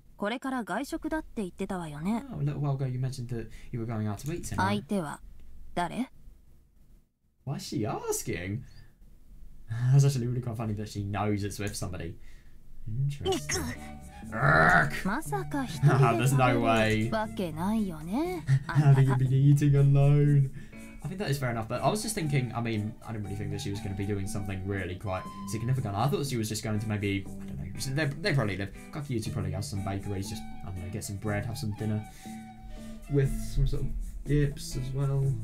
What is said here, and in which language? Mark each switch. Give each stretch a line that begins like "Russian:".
Japanese: これから外食だって言ってたわよね。
English: Oh, a little while ago you mentioned that you were going out to eat tonight.
Japanese: 相手は誰？
English: Why is she asking? That's actually really quite funny that she knows it's with somebody. Interesting.
Japanese: まさか一人で食べるわけないよね。
English: Have you been eating alone? I think that is fair enough, but I was just thinking, I mean, I didn't really think that she was going to be doing something really quite significant. I thought she was just going to maybe, I don't know, they probably live, Kakiyuchi probably has some bakeries, just, I don't know, get some bread, have some dinner with some sort of dips as well.